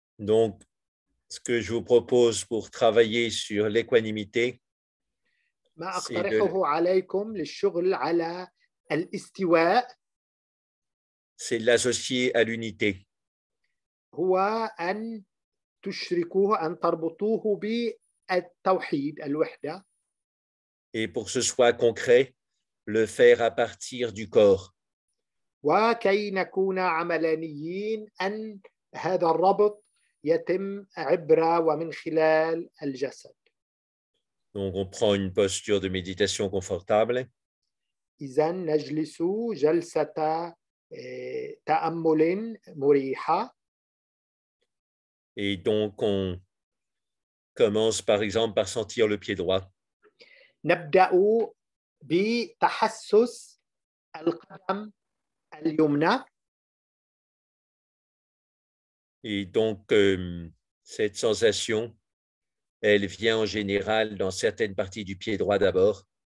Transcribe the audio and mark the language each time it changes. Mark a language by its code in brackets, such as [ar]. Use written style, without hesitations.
[fr] donc, ce que je vous propose pour travailler sur l'équanimité, [ar] ما [fr] c'est [ar] أقترحه [fr] de [ar] عليكم للشغل على الاستواء [fr] l'associer à l'unité. [ar] هو أن تشركوه، أن تربطوه بالتوحيد، الوحدة. [fr] Et pour que ce soit concret, le faire à partir du corps. [ar] وكي نكون عمليين، أن هذا الربط يتم عبر ومن خلال الجسد. [fr] Donc, on prend une posture de méditation confortable. [ar] إذن نجلس جلسة تأمل مريحة. [fr] Et donc, on commence par exemple par sentir le pied droit. [ar] نبدأ بتحسس القدم اليمنى. [fr] Et donc, cette sensation, elle vient en général dans certaines parties du pied droit d'abord.